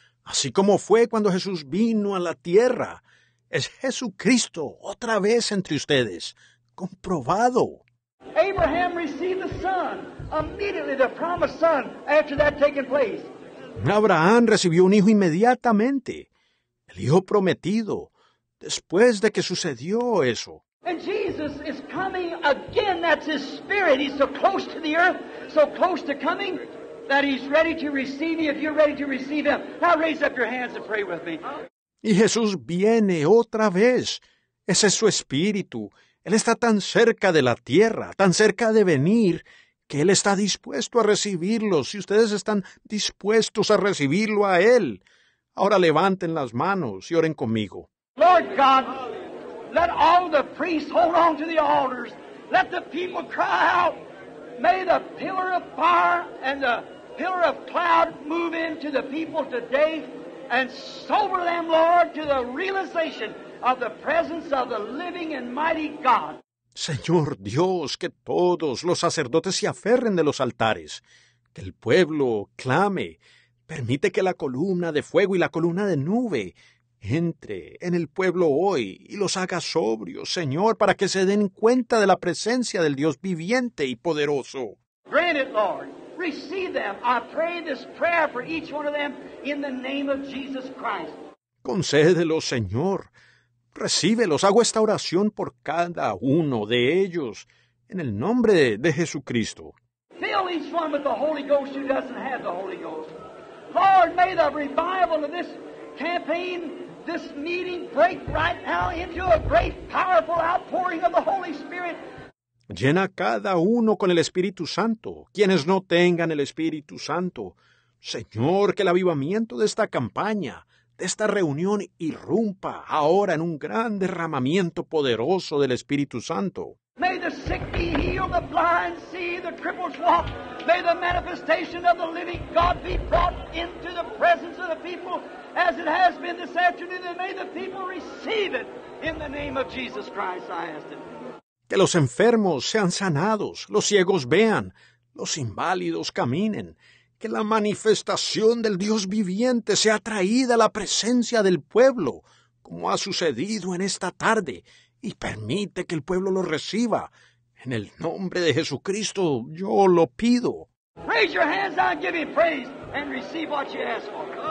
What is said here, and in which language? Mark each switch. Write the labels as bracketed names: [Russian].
[Spanish] Así como fue cuando Jesús vino a la tierra. Es Jesucristo otra vez entre ustedes. Comprobado. [English] Abraham received the son, immediately the promised son, after that taking place. [Spanish] Abraham recibió un hijo inmediatamente, el hijo prometido, después de que sucedió eso. [English] And Jesus is coming again, that's his spirit. He's so close to the earth, so close to coming, that he's ready to receive you if you're ready to receive him. Now raise up your hands and pray with me. [Spanish] Y Jesús viene otra vez. Ese es su espíritu. Él está tan cerca de la tierra, tan cerca de venir, que Él está dispuesto a recibirlo, si ustedes están dispuestos a recibirlo a Él. Ahora levanten las manos y oren conmigo. [English] Lord God, let all the priests hold on to the altars. Let the people cry out. May the pillar of fire and the pillar of cloud move into the people today and sober them, Lord, to the realization of the presence of the living and mighty God. [Spanish] Señor Dios, que todos los sacerdotes se aferren de los altares, que el pueblo clame, permite que la columna de fuego y la columna de nube entre en el pueblo hoy y los haga sobrios, Señor, para que se den cuenta de la presencia del Dios viviente y poderoso. [English] Grant it, Lord. Receive them. I pray this prayer for each one of them in the name of Jesus Christ. [Spanish] Concédelo, Señor. Recíbelos. Hago esta oración por cada uno de ellos en el nombre de Jesucristo. [English] Fill each one with the Holy Ghost who doesn't have the Holy Ghost. Lord, may the revival of this campaign, this meeting, break right now into a great, powerful outpouring of the Holy Spirit. [Spanish] Llena cada uno con el Espíritu Santo. Quienes no tengan el Espíritu Santo, Señor, que el avivamiento de esta campaña, de esta reunión irrumpa ahora en un gran derramamiento poderoso del Espíritu Santo. [English] May the sick be healed, the blind see, the crippled walk. May the manifestation of the living God be brought into the presence of the people as it has been this afternoon. And may the people receive it in the name of Jesus Christ, I ask it. [Spanish] Que los enfermos sean sanados, los ciegos vean, los inválidos caminen. Que la manifestación del Dios viviente sea traída a la presencia del pueblo, como ha sucedido en esta tarde, y permite que el pueblo lo reciba. En el nombre de Jesucristo, yo lo pido. [English] Raise your hands and give me praise and receive what you ask for.